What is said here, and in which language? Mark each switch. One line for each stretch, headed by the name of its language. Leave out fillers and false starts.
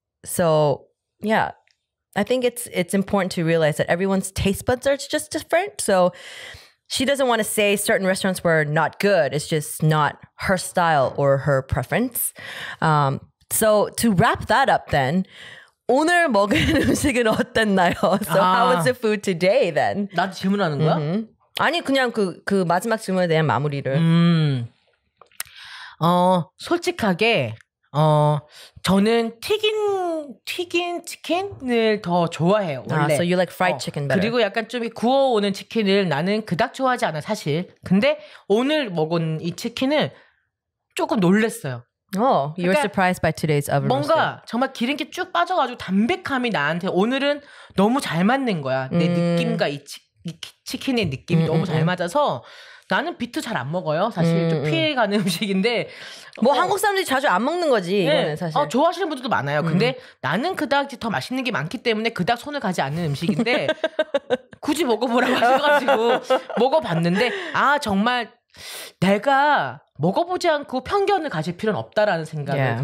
English: So yeah, I think it's important to realize that everyone's taste buds are just different. So she doesn't want to say certain restaurants were not good. It's just not her style or her preference. So to wrap that up then,
Korean: 오늘 먹은 음식은 어땠나요?
English: So 아, how was the food today then?
Korean: 나도 질문하는 거야? 아니 그냥 그 마지막 질문에 대한 마무리를. 솔직하게 저는 튀긴 치킨을 더 좋아해요. 원래.
English: 아, so you like fried chicken better.
Korean: 그리고 약간 좀 구워오는 치킨을 나는 그닥 좋아하지 않아 사실. 근데 오늘 먹은 이 치킨은 조금 놀랐어요.
English: Oh, you were 그러니까 surprised by today's oven roast.
Korean: 뭔가 정말 기름기 쭉 빠져가지고 담백함이 나한테 오늘은 너무 잘 맞는 거야. 내 느낌과 이 치킨의 느낌이 너무 잘 맞아서 나는 비트 잘 안 먹어요. 사실 좀 피해가는 음식인데 뭐 한국 사람들이 자주 안 먹는 거지. 네. 이거는 사실. 좋아하시는 분들도 많아요. 근데 나는 그닥 더 맛있는 게 많기 때문에 그닥 손을 가지 않는 음식인데 굳이 먹어보라고 하셔가지고 먹어봤는데 아 정말 내가 먹어보지 않고 편견을 가질 필요는 없다라는 생각을 yeah.